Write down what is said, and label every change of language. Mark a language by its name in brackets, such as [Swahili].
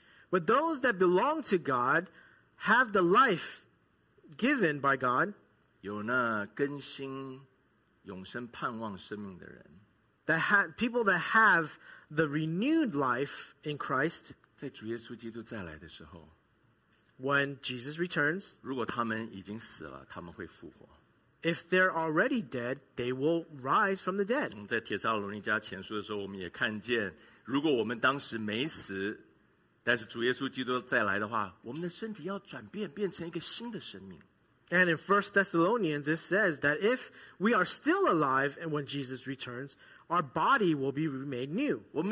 [English] but those that belong to God have the life given by God, [Chinese] 有那更新永生盼望生命的人, [English] that have people that have the renewed life in Christ, [Chinese] 在主耶稣基督再来的时候, [English] when Jesus returns, [Chinese] 如果他们已经死了, [English] if they're already dead, they will rise from the dead. [Chinese] 在帖撒罗尼迦前书的时候,我们也看见, 如果我们当时没死, 但是主耶稣基督再来的话, 我们的身体要转变, 变成一个新的生命。 [English] And in 1 Thessalonians, it says that if we are still alive and when Jesus returns, our body will be made new.